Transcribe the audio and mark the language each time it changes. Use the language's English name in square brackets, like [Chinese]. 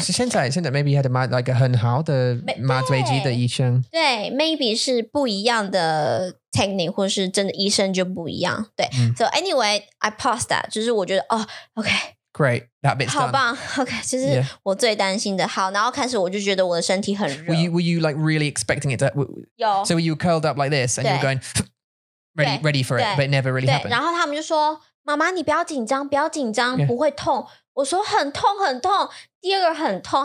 [Chinese] 现在 [English] maybe had a, like, a [Chinese] 很好的麻醉机的医生对 maybe 是不一样的 technique 或是真的医生就不一样对、mm. [English] So anyway I paused that [Chinese] 就是我觉得哦、 [English] OK Great, that bit's done. [Chinese] 好棒 OK, 就是我最担心的。好，然后开始我就觉得我的身体很热。 [English] Were you like really expecting it to... [Chinese] 有。 [English] So were you curled up like this and you were going, ready for it, but it never really happened? [Chinese] 然后他们就说，妈妈你不要紧张，不要紧张，不会痛。我说很痛很痛，第二个很痛。